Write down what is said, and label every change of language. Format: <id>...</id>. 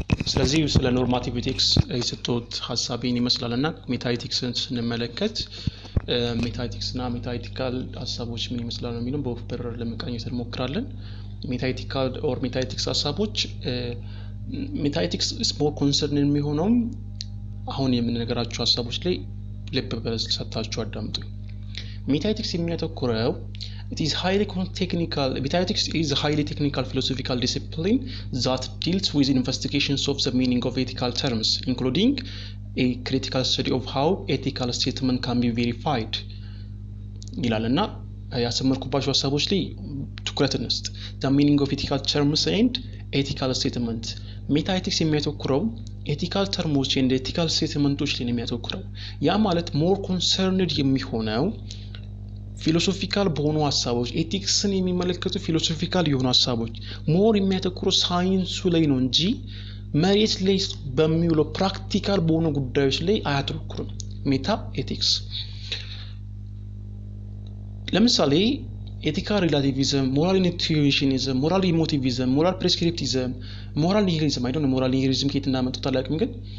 <am>ስለዚህ ስለ ኖርማቲቭ ኤቲክስ እየተጠጥ ሐሳቤን ይመስላልና ሜታኤቲክስን ስንመለከት ሜታኤቲክስና ሜታኤቲካል ሐሳቦች ምን ይመስላሉ ነው የሚለው በኦፕረር ለመቃኘት እንሞክራለን ሜታኤቲካል ኦር ሜታኤቲክስ ሐሳቦች ሜታኤቲክስ ኢስ ሞር ኮንሰርን የሚሆነው አሁን የምንነገራቸው ሐሳቦች ላይ ልብ በልስ ሰጣችሁ አዳምጡ ሜታኤቲክስ የሚያተኩረው</am> <en>It is highly technical. Metaethics is a highly technical philosophical discipline that deals with investigations of the meaning of ethical terms, including a critical study of how ethical statements can be verified.</en> <am>ይላልና ያሰመርኩባችሁ ሐሳቦች ላይ ትኩረት እንስጥ.</am> <en>The meaning of ethical terms and ethical statements. Metaethics</en> <am>የሚያተኩረው</am> <en>ethical terms and ethical statements</en> <am>ላይ ነው የሚያተኩረው. ያ ማለት</am> <en>more concerned</en> <am>የሚሆነው ፊሎሶፊካል በሆኑ ሐሳቦች ኤቲክስን የሚመለከቱ ፊሎሶፊካል የሆኑ ሐሳቦች ሞር የሚያተኩሩ ሳይንሱ ላይ ነው እንጂ መሬት ላይ በሚውሉ ፕራክቲካል በሆኑ ጉዳዮች ላይ አያተኩሩም ሜታ ኤቲክስ ለምሳሌ ኤቲካል ሪላቲቪዝም ሞራል ኢንቱዊሽኒዝም ሞራል ኢሞቲቪዝም ሞራል ፕሪስክሪፕቲቪዝም ሞራል ኒሂሊዝም አይ ዶንት ኖ ሞራል ኒሂሊዝም ከየት እንደመጣ ታላቅም ግን</am>